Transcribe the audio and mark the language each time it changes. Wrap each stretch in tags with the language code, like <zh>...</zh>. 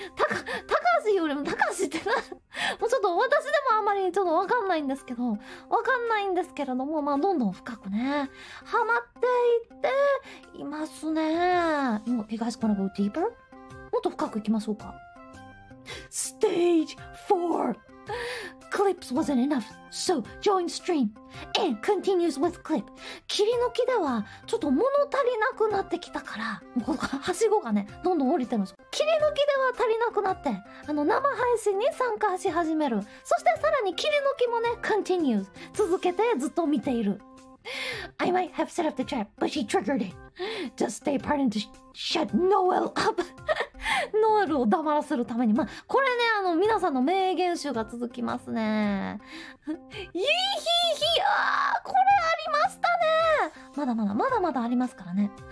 <ja>たかしよりもたかしってな。もうちょっと私でもあまりちょっとわかんないんですけど、わかんないんですけれども、まあどんどん深くね、ハマっていっていますね。もう、</ja> <en>you guys wanna go deeper?</en> <ja>もっと深くいきましょうか。</ja> <en>Stage 4! Clips wasn't enough, so join stream and continues with clip.</en> <ja>切り抜きではちょっと物足りなくなってきたから、はしごがね、どんどん降りてるんです。切り抜きでは足りなくなって、生配信に参加し始める。そしてさらに切り抜きもね、continues 続けてずっと見ている。</ja> <en>I might have set up the trap, but she triggered it. Just stay part and shut Noel up.</en> <ja>ノエルを黙らせるために。まあ、これね、皆さんの名言集が続きますね。いいひいひあこれありましたね。まだまだありますからね。</ja>